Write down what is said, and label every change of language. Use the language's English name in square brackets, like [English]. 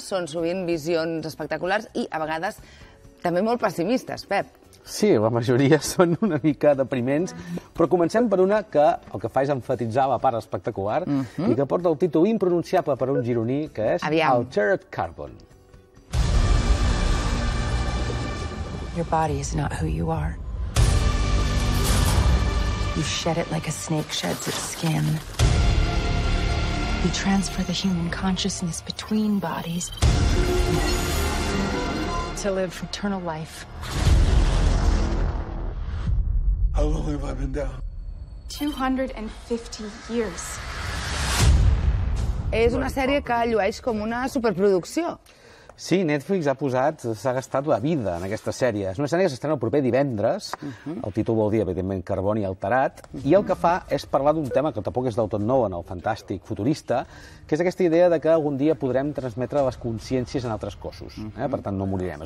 [Catalan] Són sovint visions espectaculars i, a vegades, també molt pessimistes, Pep. Sí, la majoria són una mica depriments, però comencem per una que el que fa és enfatitzar la part espectacular i que porta el títol impronunciable per un gironí, que és Altered Carbon. [English] Your body is not who you are. You shed it like a snake sheds its skin. You transfer the human consciousness between bodies to live eternal life. How long have I been down? 250 years. [Catalan] És una sèrie que llueix com una superproducció. Sí, Netflix ha posat, s'ha gastat la vida en aquesta sèrie. És una sèrie que s'estrena el proper divendres. El títol vol dir, evidentment, Carboni alterat. I el que fa és parlar d'un tema que tampoc és del tot nou en el fantàstic futurista, que és aquesta idea de que algun dia podrem transmetre les consciències en altres cossos. Per tant, no morirem.